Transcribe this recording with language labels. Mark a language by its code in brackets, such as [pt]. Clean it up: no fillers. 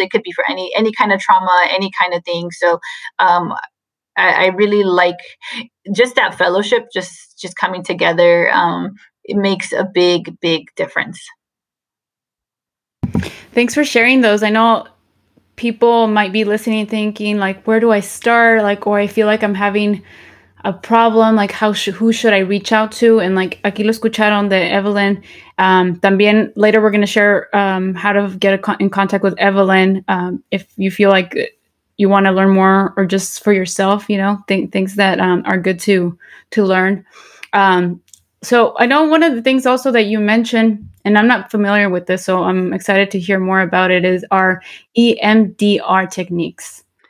[en] It could be for any kind of trauma, any kind of thing. So I really like just that fellowship, just coming together. It makes a big, big difference. Thanks for sharing those. I know people might be listening thinking like, where do I start? Like, or I feel like I'm having a problem. Like who should I reach out to? And like, [es] aquí lo escucharon de Evelin. También [en] later we're going to share how to get in contact with Evelin. If you feel like you want to learn more or just for yourself, you know, things that are good to learn. So I know one of the things also that you mentioned, and I'm not familiar with this, so I'm excited to hear more about it, is our EMDR techniques.